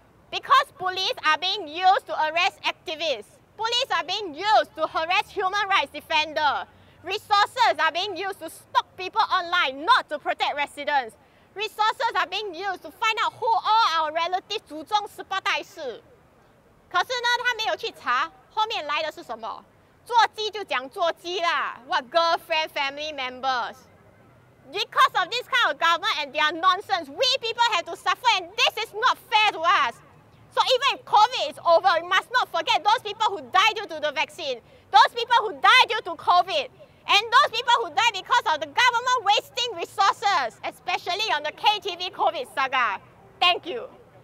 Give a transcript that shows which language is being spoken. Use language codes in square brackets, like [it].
[en] Because police are being used to arrest activists. Police are being used to harass human rights defenders. Resources are being used to stalk people online, not to protect residents. Resources are being used to find out who all our relatives [zh] 祖宗18代是. 可是呢,他没有去查后面来的是什么? 坐机就讲坐机啦, [en] what girlfriend, family members. Because of this kind of government and their nonsense, we people have to suffer and this is not fair to us. So even if COVID is over, we must not forget those people who died due to the vaccine, those people who died due to COVID, and those people who died because of the government wasting resources, especially on the KTV COVID saga. Thank you.